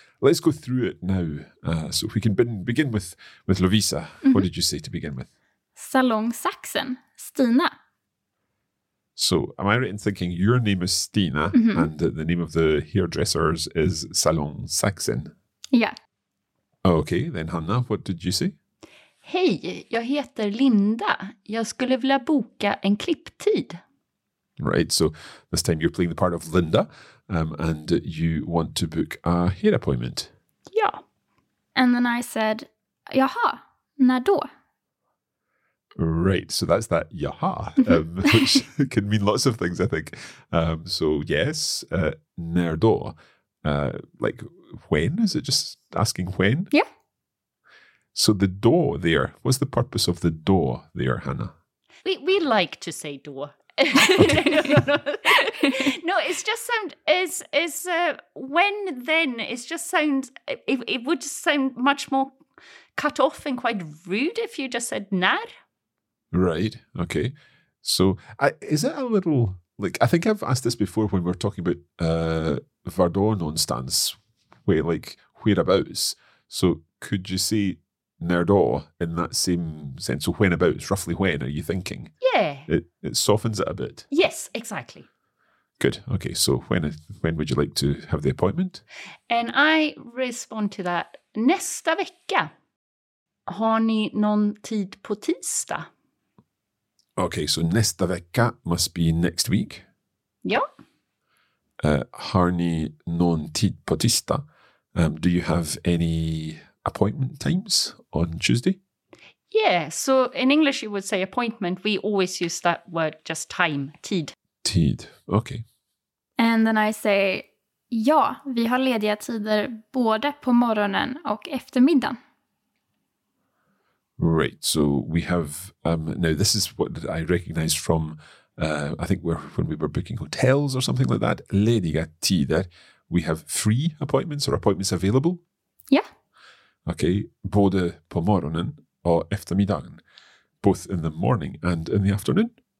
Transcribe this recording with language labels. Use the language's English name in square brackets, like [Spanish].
[English] Let's go through it now. So if we can begin with Lovisa. Mm-hmm. What did you say to begin with? [Swedish] Salong Saxen, Stina. [English] So am I right in thinking your name is Stina mm-hmm. and the name of the hairdressers is Salon Saxon? Yeah. Okay, then Hanna, what did you say? [Swedish] Hej, jag heter Linda. Jag skulle vilja boka en klipptid. [English] Right, so this time you're playing the part of Linda and you want to book a hair appointment. Yeah. And then I said, [Swedish] jaha, när då? [English] Right, so that's that jaha, which can mean lots of things, I think. So yes, [Swedish] när då. [English] Like when? Is it just asking when? Yeah. So the do there, what's the purpose of the do there, Hannah? We like to say do. Okay. No, it's just sound, when, then, it's just sound, it would sound much more cut off and quite rude if you just said när. Right, okay. So is it a little, like, I think I've asked this before when we're talking about [Swedish] var då någonstans, [English] where, like, whereabouts. So could you say [Swedish] när då [English] in that same sense? So whenabouts, roughly when are you thinking? Yeah. It softens it a bit. Yes, exactly. Good. Okay, so when would you like to have the appointment? And I respond to that, [Swedish] nästa vecka. Har ni någon tid på tisdag? [English] Okay, so [Swedish] nästa vecka [English] must be next week. [Swedish] Ja. Har ni någon tid på tisdag? [English] Do you have any appointment times on Tuesday? Yeah, so in English you would say appointment. We always use that word, just time, tid. Tid, okay. And then I say, [Swedish] ja, vi har lediga tider både på morgonen och eftermiddagen. [English] Right, so we have, now this is what I recognize from, I think when we were booking hotels or something like that, [Swedish] lediga tider, [English] we have free appointments or appointments available. Yeah. Okay, [Swedish] både på morgonen och eftermiddagen, [English] both in the morning and in the afternoon?